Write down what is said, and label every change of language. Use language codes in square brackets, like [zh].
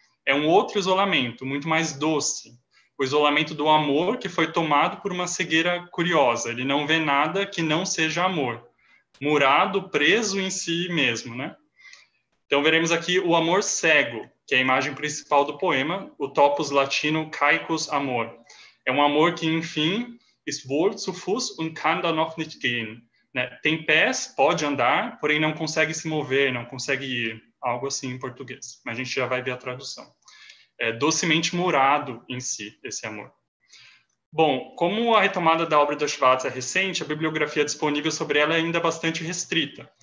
[pt] É um outro isolamento, muito mais doce. O isolamento do amor que foi tomado por uma cegueira curiosa. Ele não vê nada que não seja amor. Murado, preso em si mesmo, né? Então veremos aqui o amor cego, que é a imagem principal do poema, o topos latino caicos amor. É um amor que, enfim, [de] ist wohl zu Fuß und kann dann noch nicht gehen. [pt] Né? Tem pés, pode andar, porém não consegue se mover, não consegue ir. Algo assim em português, mas a gente já vai ver a tradução. É docemente murado em si, esse amor. Bom, como a retomada da obra da Schwarz é recente, a bibliografia disponível sobre ela é ainda bastante restrita.